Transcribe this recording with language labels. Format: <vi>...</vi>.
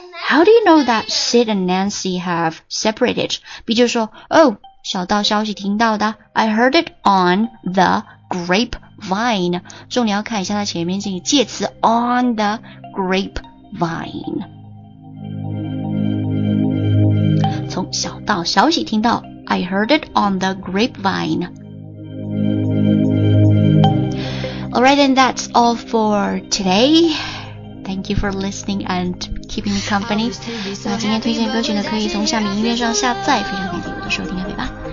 <en>How do you know that Sid and Nancy have separated?</en> <zh>B 就说，哦，小道消息听到的。</zh> <en>I heard it on the grapevine。</en> <zh>重点要看一下它前面这个介词</zh> <en>on the grapevine。</en> <zh>从小道消息听到</zh> <en>I heard it on the grapevine。 Alright, and that's all for today. Thank you for listening and keeping me company.</en> <zh>那今天推荐歌曲呢，可以从下面音乐上下载，非常感谢我的收听和陪伴。</zh>